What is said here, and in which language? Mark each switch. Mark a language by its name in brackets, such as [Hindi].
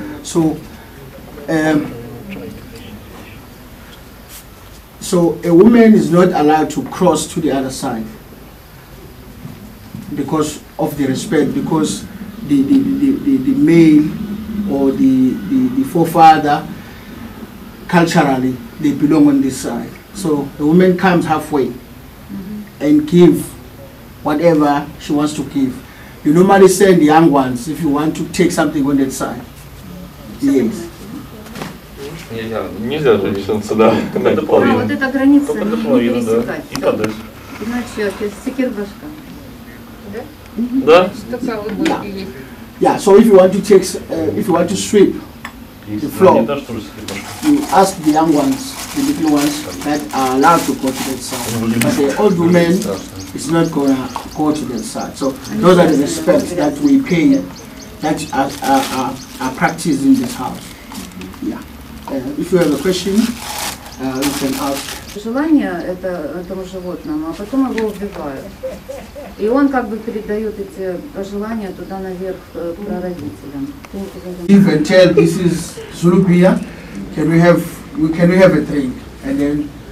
[English] So, so a woman is not allowed to cross to the other side because of the respect, because the male or the forefather, culturally, they belong on this side. So the woman comes halfway and give whatever she wants to give. You normally send the young ones if you want to take something on that side. Yes. [Russian] Нельзя же сюда. Да, вот эта граница не пересекать. И подальше. Иначе это секирбашка. Да? Да. [English] Yeah, so if you want to take, if you want to sweep the floor, you ask the young ones, the little ones that are allowed to go to that side. But the old women, it's not gonna go to that side. So those are the respects that we pay, that are practiced in this house. Yeah. If you have a question, you can ask. [Russian] Желание это этому животному, а потом его убивают. И он как бы передает эти пожелания туда наверх прародителям. [English] If and tell this is Zulu beer, can we have a drink and then.